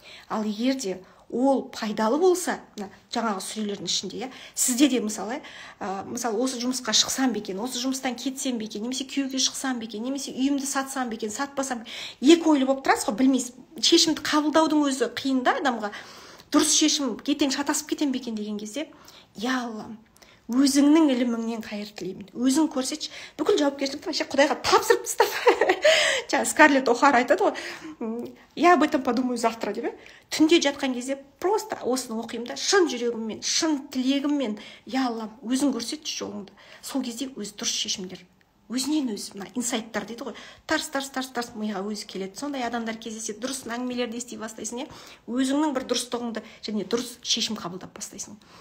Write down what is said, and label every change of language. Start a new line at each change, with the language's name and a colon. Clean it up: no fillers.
Kazakh: Ал егер де ол пайдалы болса, жаңағы сүрелердің ішінде, иә, сізде де мысалы, мысалы осы жұмысқа шықсам ба екен, осы жұмыстан кетсем ба екен, немесе күйеуге шықсам ба екен, немесе үйімді сатсам ба екен, сатпасам, екі ойлы болып тұрасыз ғой, білмейсіз. Шешімді қабылдаудың өзі қиын да адамға. Дұрыс шешім, кетең шатасып кетем ба екен деген кезде, я Аллам, өзіңнің іліміңнен қайыр тілеймін. Өзің көрсетші, бүкіл жауапкершілікті вообще Құдайға тапсырып тастап. Жаңа Скарлетт О'Хара айтады ғой,
Russian: я об этом подумаю завтра
Kazakh: деп. Түнде жатқан кезде просто осыны оқимын да, шын жүрегіммен, шын тілегіммен, я Аллам, өзің көрсетші жолыңды. Сол кезде өзі дұрыс шешімдер, өзінен өзі мына инсайттар дейді ғой, тарс тарс тарс тарс миға өзі келеді. Сондай адамдар кездеседі, дұрыс әңгімелерді ести бастайсың, иә, өзіңнің бір дұрыстығыңды және дұрыс шешім қабылдап бастайсың.